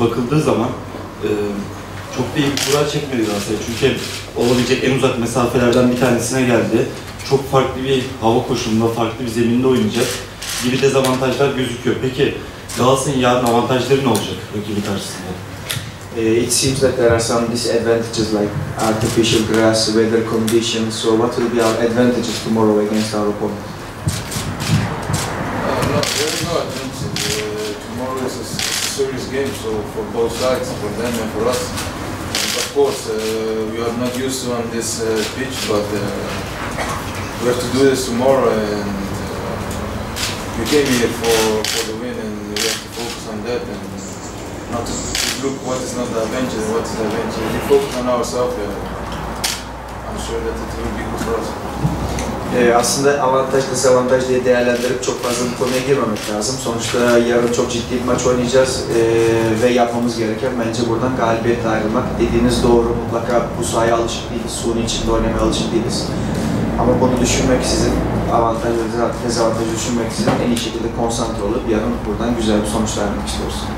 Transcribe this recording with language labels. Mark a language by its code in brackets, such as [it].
[tr] Bakıldığı zaman çok da iyi bir kura çekmedi aslında. Çünkü olabilecek en uzak mesafelerden bir tanesine geldi. Çok farklı bir hava koşulunda, farklı bir zeminde oynayacak gibi dezavantajlar gözüküyor. Peki Galatasaray'ın yarın avantajları ne olacak rakibi karşısında? [en] It seems that there are some disadvantages like artificial grass, weather conditions. So what will be our advantages tomorrow against our opponent? No, there is no advantage. Tomorrow is a serious game, so for both sides, for them and for us. And of course, we are not used to on this pitch, but we have to do this tomorrow. And we came here for the win, and we have to focus on that and not to look what is not the adventure, what is the adventure. If we focus on ourselves, I'm sure that it will be good for us. [tr] Aslında avantaj, dezavantaj diye değerlendirip çok fazla bu konuya girmemek lazım. Sonuçta yarın çok ciddi bir maç oynayacağız ve yapmamız gereken bence buradan galibiyetle ayrılmak. Dediğiniz doğru, mutlaka bu sahaya alışık değiliz, suyun içinde oynamaya alışık değiliz. Ama bunu düşünmek sizin, avantaj ve dezavantaj düşünmek sizin en iyi şekilde konsantre olup yarın buradan güzel bir sonuç vermek istiyoruz.